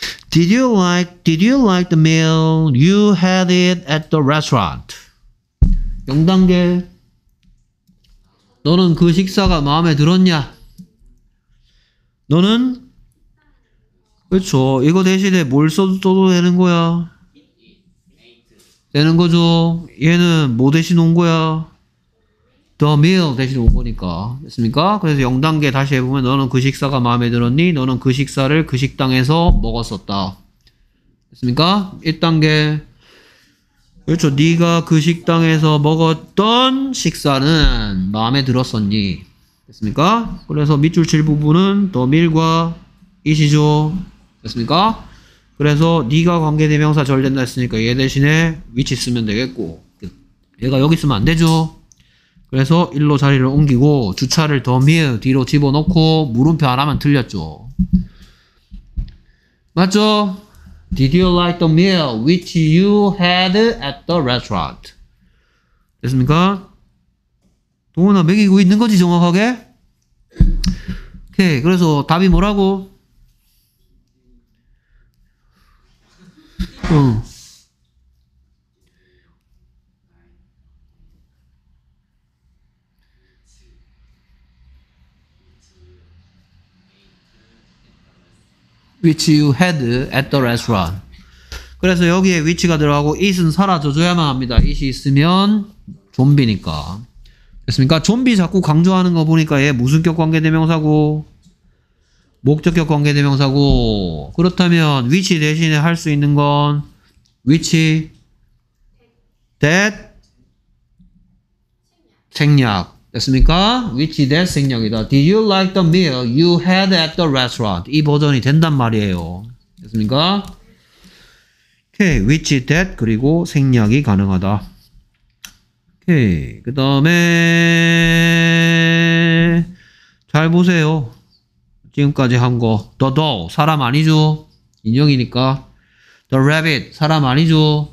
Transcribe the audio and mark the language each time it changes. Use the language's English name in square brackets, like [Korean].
[English] Did you like the meal you had it at the restaurant? [Korean] 0단계. 너는 그 식사가 마음에 들었냐? 너는? 그렇죠. 이거 대신에 뭘 써도 되는 거야? 되는 거죠. 얘는 뭐 대신 온 거야? The meal 대신 온 거니까. 됐습니까? 그래서 0단계 다시 해보면 너는 그 식사가 마음에 들었니? 너는 그 식사를 그 식당에서 먹었었다. 됐습니까? 1단계. 그렇죠. 네가 그 식당에서 먹었던 식사는 마음에 들었었니? 됐습니까? 그래서 밑줄 칠 부분은 더 밀과 이시죠. 됐습니까? 그래서 네가 관계대명사 절된다 했으니까 얘 대신에 위치 쓰면 되겠고 얘가 여기 쓰면 안 되죠. 그래서 일로 자리를 옮기고 주차를 더 밀 뒤로 집어넣고 물음표 안 하면 틀렸죠. 맞죠? [English] Did you like the meal which you had at the restaurant? [Korean] 됐습니까? 동훈아 먹이고 있는 거지 정확하게? 오케이. 그래서 답이 뭐라고? 응. [English] Which you had at the restaurant. [Korean] 그래서 여기에 위치가 들어가고 it은 사라져줘야만 합니다. it이 있으면 좀비니까. 됐습니까? 좀비 자꾸 강조하는 거 보니까 얘 무슨 격 관계대명사고 목적격 관계대명사고 그렇다면 위치 대신에 할 수 있는 건 위치 that 생략. 됐습니까? 위치 that 생략이다. [English] Did you like the meal you had at the restaurant? [Korean] 이 버전이 된단 말이에요. 됐습니까? 오케이. 위치 that 그리고 생략이 가능하다. 그 다음에 잘 보세요. 지금까지 한 거 The doll 사람 아니죠? 인형이니까 The rabbit 사람 아니죠?